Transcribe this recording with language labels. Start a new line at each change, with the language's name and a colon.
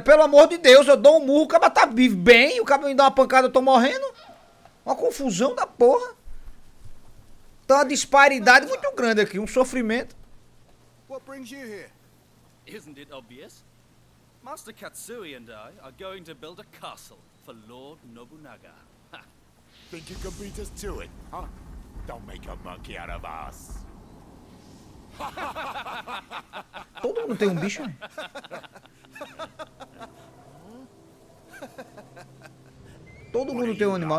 Portuguese: Pelo amor de Deus, eu dou um murro, o cara tá vivo bem. O cara me dá uma pancada, eu tô morrendo. Uma confusão da porra. Tá uma disparidade muito grande aqui, um sofrimento. O que te traz aqui? Não é óbvio? Master Katsui e eu vamos construir um castelo para o Lord Nobunaga.
English: Think you can beat us to it, huh? Don't make a monkey out of us.
Portuguese: Todo mundo tem um bicho, né? Todo mundo tem um animal.